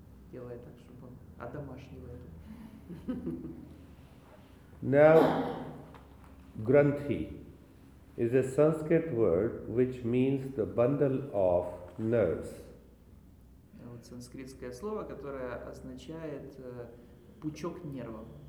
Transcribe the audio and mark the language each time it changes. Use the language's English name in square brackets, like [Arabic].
[Russian] Делает так, чтобы он одомашнивает. [English] Now, granthi is a Sanskrit word which means the bundle of nerves. [Russian] санскритское слово, которое означает пучок нервов.